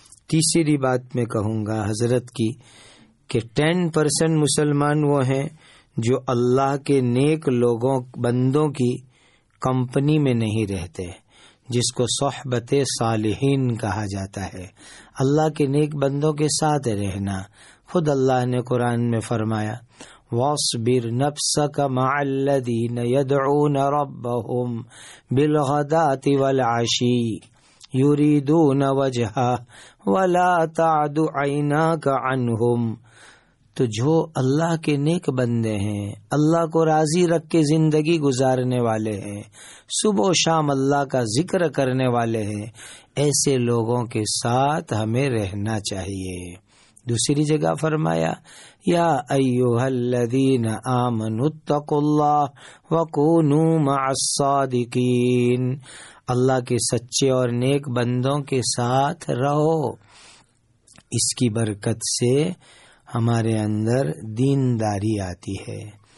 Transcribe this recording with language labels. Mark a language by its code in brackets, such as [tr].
[ur] تیسری بات میں کہوں گا حضرت کی کہ 10% مسلمان وہ ہیں جو اللہ کے نیک لوگوں بندوں کی کمپنی میں نہیں رہتے, جس کو صحبت صالحین کہا جاتا ہے, اللہ کے نیک بندوں کے ساتھ رہنا. خود اللہ نے قرآن میں فرمایا [ar] واصبر نفسك مع الذين يدعون ربهم بالغداة والعشي يريدون وجهه ولا تعد عيناك عنهم. [ur] تو جو اللہ کے نیک بندے ہیں, اللہ کو راضی رکھ کے زندگی گزارنے والے ہیں, صبح و شام اللہ کا ذکر کرنے والے ہیں, ایسے لوگوں کے ساتھ ہمیں رہنا چاہیے. دوسری جگہ فرمایا [ar] یا ایوہ الذین آمنوا اتقوا اللہ وکونوا مع الصادقین, [ur] اللہ کے سچے اور نیک بندوں کے ساتھ رہو, اس کی برکت سے ہمارے اندر دینداری آتی ہے.